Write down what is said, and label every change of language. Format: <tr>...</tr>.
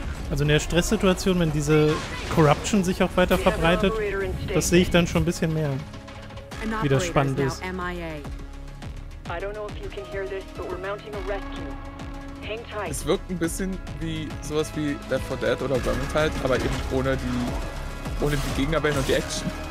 <de>Also in der Stresssituation, wenn diese Corruption sich auch weiter verbreitet, das sehe ich dann schon ein bisschen mehr, wie das spannend ist.</de> <en>I don't know if you can hear this, but we're mounting a rescue. Hang tight.</en> <de>Es wirkt ein bisschen wie sowas wie Left 4 Dead oder Vermintide, aber eben ohne die Gegnerwellen und die Action.</de>